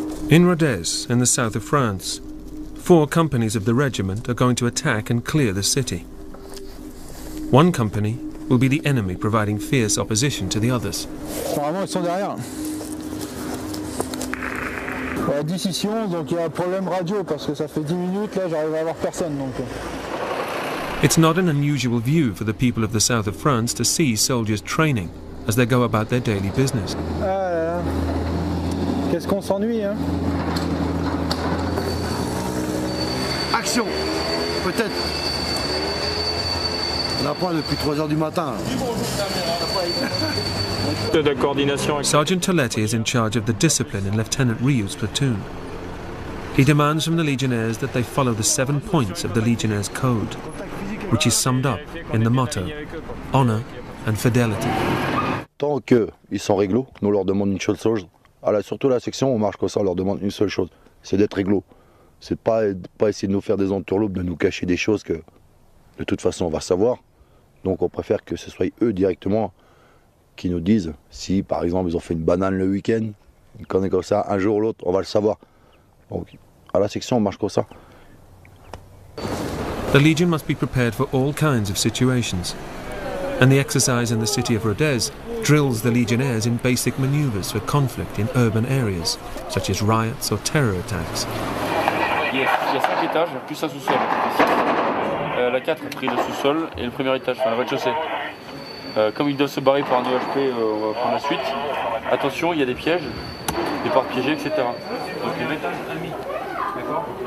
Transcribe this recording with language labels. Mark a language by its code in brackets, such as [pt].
[en] In Rodez, in the south of France, four companies of the regiment are going to attack and clear the city. One company will be the enemy, providing fierce opposition to the others. [fr] Normalement, ils sont derrière. La décision, donc il y a un problème radio parce que ça fait 10 minutes là, j'arrive à avoir personne donc. [en] It's not an unusual view for the people of the south of France to see soldiers training as they go about their daily business. [fr] Ah là là. Qu'est-ce qu'on s'ennuie hein? Action. Peut-être. On n'a pas depuis 3h du matin. De coordination. [en] Sergeant Toletti is in charge of the discipline in Lieutenant Rioux's platoon. He demands from the legionnaires that they follow the 7 points of the legionnaires' code, which is summed up in the motto, honor and fidelity. [fr] Tant qu'ils sont réglo, nous leur demandons une seule chose. Alors surtout la section, on marche comme ça, on leur demande une seule chose, c'est d'être réglo. C'est pas essayer de nous faire des entourloupes, de nous cacher des choses que de toute façon on va savoir. Donc on préfère que ce soit eux directement qui nous disent si par exemple ils ont fait une banane le week-end, une connerie comme ça, un jour ou l'autre, on va le savoir. Donc à la section, on marche comme ça. [en] The Legion must be prepared for all kinds of situations. And the exercise in the city of Rodez drills the legionnaires in basic maneuvers for conflict in urban areas, such as riots or terror attacks. [fr] Il y a 5 étages, plus un sous-sol. La 4 a pris le sous-sol et le premier étage, enfin le rez-de-chaussée. Comme ils doivent se barrer pour un EHP, on va prendre la suite. Attention, il y a des pièges, des portes piégées, etc. Donc les étages, ami. D'accord.